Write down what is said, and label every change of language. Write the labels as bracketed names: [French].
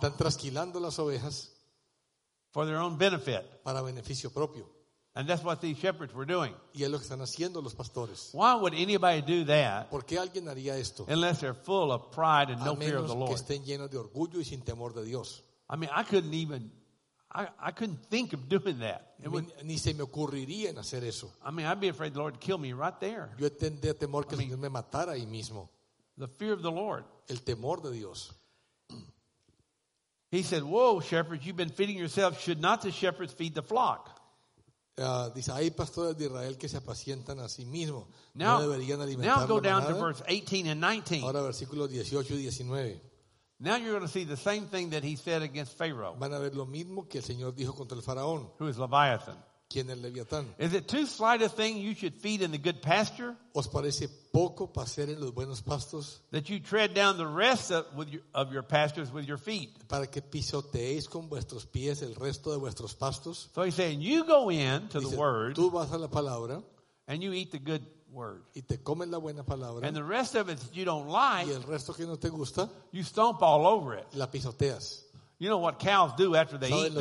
[Spanish] Están trasquilando las ovejas [English] for their own benefit. [Spanish] Para beneficio propio. [English] And that's what these shepherds were doing. [Spanish] Y es lo que están haciendo los pastores. [English] Why would anybody do that? [Spanish] ¿Por qué alguien haría esto? [English] Unless they're full of pride and a no fear of the Lord. [Spanish] Que estén llenos de orgullo y sin temor de Dios. [English] I mean, I couldn't think of doing that. [Spanish] Ni se me ocurriría en hacer eso. [English] I mean, I'd be afraid the Lord kill me right there. [Spanish] Yo tendría temor que el Señor me matara ahí mismo. [English] The fear of the Lord. [Spanish] El temor de Dios. [English] He said, "Whoa, shepherds, you've been feeding yourselves. Should not the shepherds feed the flock?" [Spanish] Dice, hay pastores de Israel que se apacientan a sí mismos. No deberían alimentar [English] now go [Spanish] la [English] down [Spanish] manada. [English] To verse 18 and 19. [Spanish] Ahora versículos 18 y 19. [English] Now you're going to see the same thing that he said against Pharaoh. [Spanish] Van a ver lo mismo que el Señor dijo contra el faraón. [English] Who is Leviathan? [Spanish] ¿Quién es Leviatán? [English] Is it too slight a thing you should feed in the good pasture? [Spanish] ¿Os parece poco pasear en los buenos pastos? [English] That you tread down the rest of your pastures with your feet. [Spanish] Para que pisoteéis con vuestros pies el resto de vuestros pastos. [English] So he's saying, you go in to the word. [Spanish] Tú vas a la palabra. [English] And you eat the good word. [Spanish] Y te comes la buena palabra. [English] And the rest of it that you don't like. [Spanish] Y el resto que no te gusta. [English] You stomp all over it. [Spanish] La pisoteas. [English] You know what cows do after they eat, don't you?